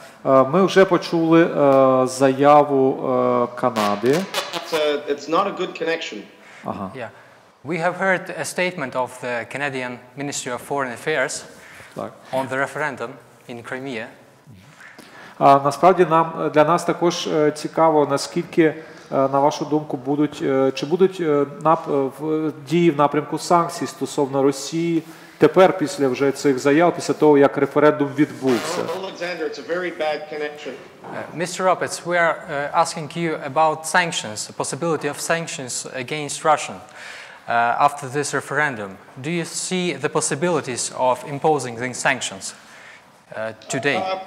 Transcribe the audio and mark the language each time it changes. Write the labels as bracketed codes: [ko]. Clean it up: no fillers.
[uk] ми вже почули заяву Канади. [en] It's not a good connection. [uk] Ага. [en] Yeah. We have heard a statement of the Canadian Ministry of Foreign Affairs on the referendum in Crimea. [uk] Насправді нам для нас також цікаво, наскільки, на вашу думку, будуть дії в напрямку санкцій стосовно Росії тепер, після вже цих заяв, після того, як референдум відбувся. Олександр, це дуже [en] bad connection. Mr. Roberts, we are asking you about sanctions, the possibility of sanctions against Russia after this referendum. Do you see the possibilities of imposing these sanctions today?